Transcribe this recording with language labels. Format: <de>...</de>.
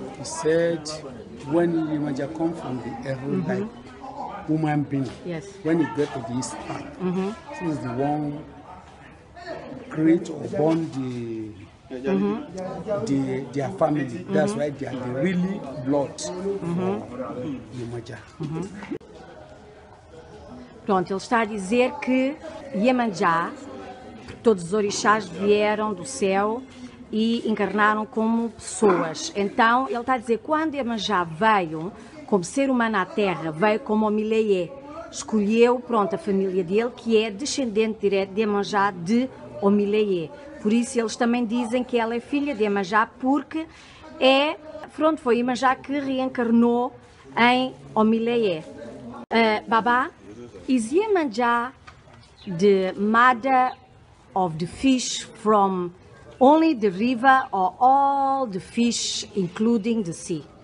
<en>He said when Yemanja come from the Ero like woman being, yes, when he get to the east part, he was the one create or born the their family. That's why they are the really blood of Yemanja.</en> <pt>Pronto, ele está a dizer que Yemanja, todos os orixás vieram do céu e encarnaram como pessoas. Então, ele está a dizer, quando Yemanja veio como ser humano à terra, veio como Omileye, escolheu, pronto, a família dele, que é descendente direto de Yemanja de Omileye. Por isso, eles também dizem que ela é filha de Yemanja, porque é, pronto, foi Yemanja que reencarnou em Omileye.</pt> <en>Baba, is Yemanja the mother of the fish from only the river or all the fish including the sea?</en>